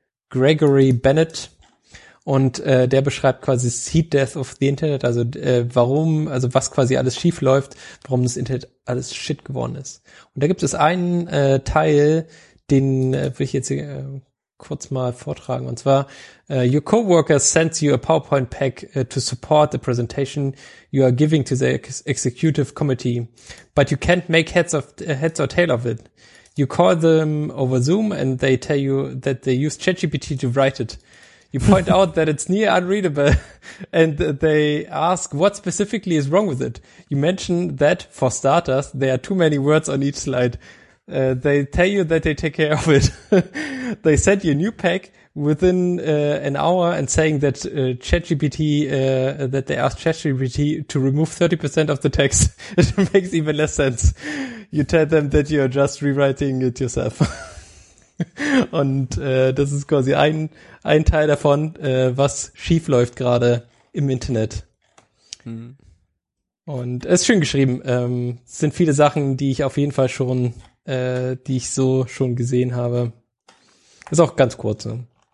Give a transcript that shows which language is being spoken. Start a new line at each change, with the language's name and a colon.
German: Gregory Bennett. Und der beschreibt quasi das Heat Death of the Internet. Also warum, also was quasi alles schief läuft, warum das Internet alles shit geworden ist. Und da gibt es einen Teil, den will ich jetzt kurz mal vortragen. Und zwar,
English: your coworker sends you a PowerPoint pack to support the presentation you are giving to the executive committee, but you can't make heads or tail of it. You call them over Zoom and they tell you that they use ChatGPT to write it. You point out that it's near unreadable and they ask what specifically is wrong with it. You mention that, for starters, there are too many words on each slide. They tell you that they take care of it. They send you a new pack within an hour and saying that ChatGPT, that they asked ChatGPT to remove 30% of the text. It makes even less sense. You tell them that you are just rewriting it yourself.
German: Und das ist quasi ein Teil davon, was schief läuft gerade im Internet. Mhm. Und es ist schön geschrieben. Es sind viele Sachen, die ich auf jeden Fall schon die ich so schon gesehen habe. Ist auch ganz kurz. Ne?